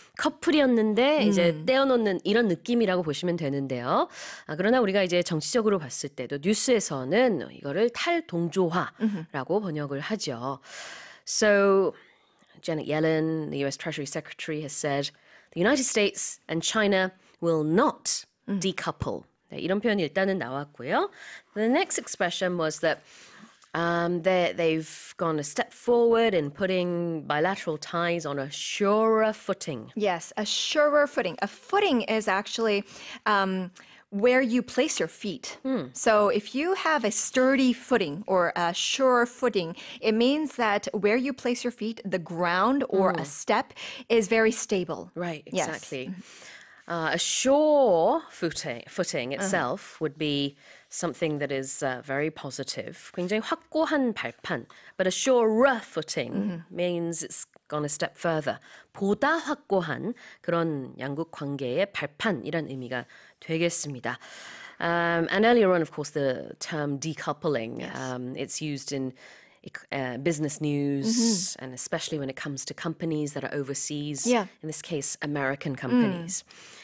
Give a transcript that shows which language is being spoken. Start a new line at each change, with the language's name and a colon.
Korean: 커플이었는데 이제 떼어놓는 이런 느낌이라고 보시면 되는데요. 그러나 우리가 이제 정치적으로 봤을 때도 뉴스에서는 이거를 탈동조화라고 번역을 하죠.
English: So Janet Yellen, the US Treasury Secretary, has said the United States and China will not decouple.
Korean: 네, 이런 표현이 일단은 나왔고요.
English: The next expression was that they've gone a step forward in putting bilateral ties on a surer footing. Yes, a surer footing. A footing is actually where you place your feet. So if you have a sturdy footing or a sure footing, it means that where you place your feet, the ground or a step is very stable. Right, exactly. Yes. A sure footing itself would be something that is very positive.
Korean: 굉장히 확고한 발판.
English: But a surer footing means it's gone a step further.
Korean: 보다 확고한 그런 양국 관계의 발판이란 의미가 되겠습니다.
English: And earlier on, of course, the term decoupling, it's used in business news, and especially when it comes to companies that are overseas, in this case, American companies.